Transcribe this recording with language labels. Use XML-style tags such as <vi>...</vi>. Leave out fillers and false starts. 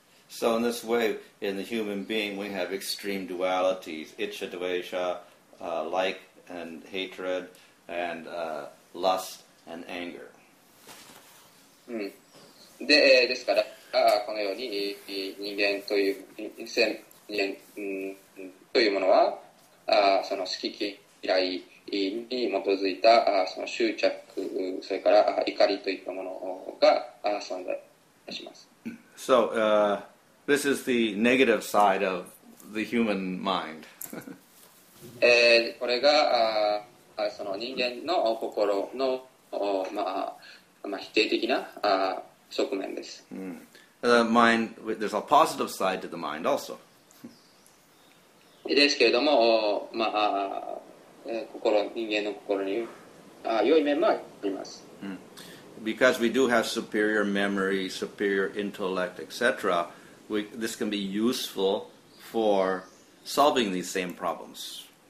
<en>So in this way, in the human being, we have extreme dualities, icha dvesha, like and hatred, and lust and anger.</en> <ja>で、ですから、このように人間というものは、その好き嫌いに基づいたその執着それから怒りといったものが存在します。</ja> <en>So, this is the negative side of the human mind.</en> <ja>これがその人間の心の、まあまあ、否定的な側面です。</ja> <en>The mind, there's a positive side to the mind also.</en> <ja>ですけれども、まあ心、人間の心に良い面もあります。 Mm.</ja> <en>because we do have superior memory, superior intellect, etc., this can be useful for solving these same problems.</en>